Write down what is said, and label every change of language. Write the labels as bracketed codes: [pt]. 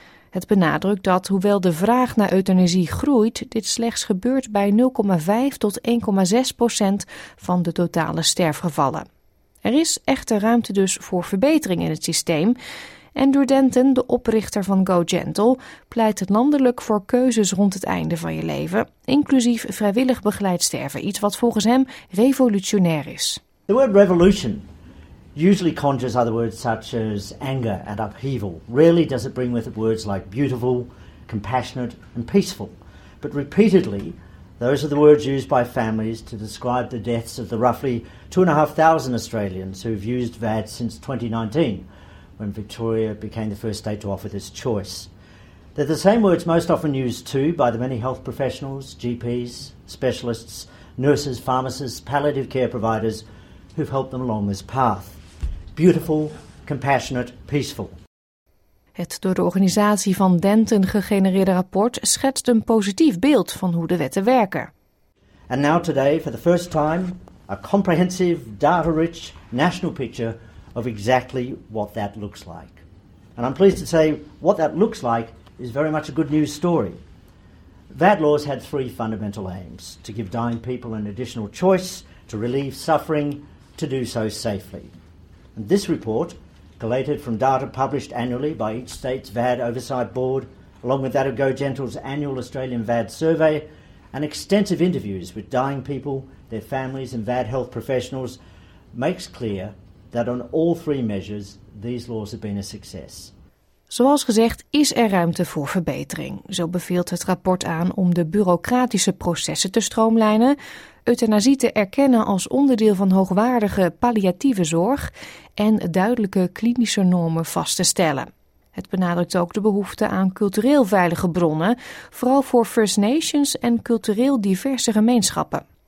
[nl] Het benadrukt dat, hoewel de vraag naar euthanasie groeit, dit slechts gebeurt bij 0,5 tot 1,6% van de totale sterfgevallen. Er is echter ruimte dus voor verbetering in het systeem. Andrew Denton, de oprichter van Go Gentle, pleit landelijk voor keuzes rond het einde van je leven, inclusief vrijwillig begeleid sterven, iets wat volgens hem revolutionair is. [en] The word revolution usually conjures other words such as anger and upheaval. Rarely does it bring with it words like beautiful, compassionate and peaceful. But repeatedly, those are the words used by families to describe the deaths of the roughly 2,500 Australians who've used VAD since 2019, when Victoria became the first state to offer this choice. They're the same words most often used too by the many health professionals, GPs, specialists, nurses, pharmacists, palliative care providers who've helped them along this path. Beautiful, compassionate, peaceful. [nl] Het door de organisatie van Denton gegenereerde rapport schetst een positief beeld van hoe de wetten werken. [en] And now today, for the first time, a comprehensive, data-rich national picture of exactly what that looks like. And I'm pleased to say what that looks like is very much a good news story. VAD laws had three fundamental aims: to give dying people an additional choice, to relieve suffering, to do so safely. And this report, collated from data published annually by each state's VAD oversight board, along with that of Go Gentle's annual Australian VAD survey, and extensive interviews with dying people, their families and VAD health professionals, makes clear that on all three measures, these laws have been a success. [nl] Zoals gezegd is er ruimte voor verbetering. Zo beveelt het rapport aan om de bureaucratische processen te stroomlijnen, euthanasie te erkennen als onderdeel van hoogwaardige palliatieve zorg en duidelijke klinische normen vast te stellen. Het benadrukt ook de behoefte aan cultureel veilige bronnen, vooral voor First Nations en cultureel diverse gemeenschappen.